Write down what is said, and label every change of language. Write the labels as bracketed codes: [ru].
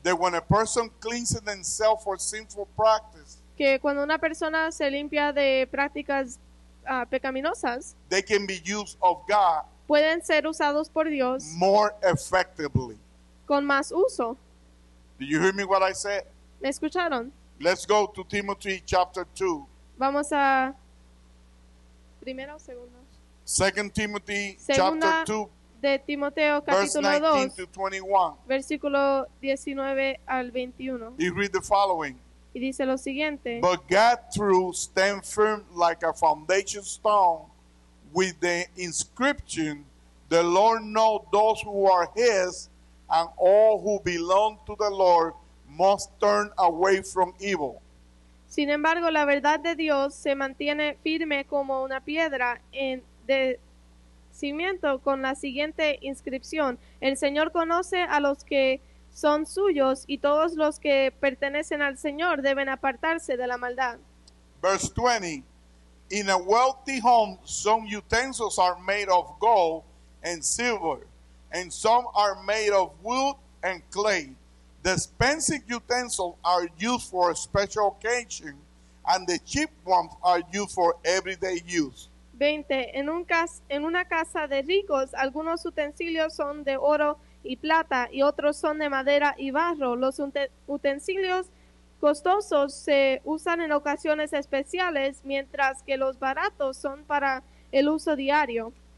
[en] That when a person cleanses themselves for sinful practice. [es] Que cuando una persona se limpia de prácticas pecaminosas. [en] They can be used of God. [es] Pueden ser usados por Dios. [en] More effectively. [es] Con más uso. [en] Did you hear me what I said? [es] ¿Me escucharon? [en] Let's go to Timothy chapter 2. [es] Vamos a Primero o segundo. [en] 2 Timothy chapter 2. [es] De Timoteo capítulo [en] 2. Verse 19 to 21. [es] Versículo 19 al 21. [en] He read the following. [es] Y dice lo siguiente. [en] But God through stand firm like a foundation stone with the inscription, the Lord know those who are his, and all who belong to the Lord must turn away from evil. [es] Sin embargo, la verdad de Dios se mantiene firme como una piedra en de cimiento con la siguiente inscripción. El Señor conoce a los que son suyos y todos los que pertenecen al Señor deben apartarse de la maldad. [en] Verse 20. In a wealthy home, some utensils are made of gold and silver, and some are made of wood and clay. The expensive utensils are used for a special occasion, and the cheap ones are used for everyday use. 20. [es] En una casa de ricos, algunos utensilios son de oro y plata, y otros son de madera y barro. Los utensilios costosos se usan en ocasiones especiales, mientras que los baratos son para el uso diario.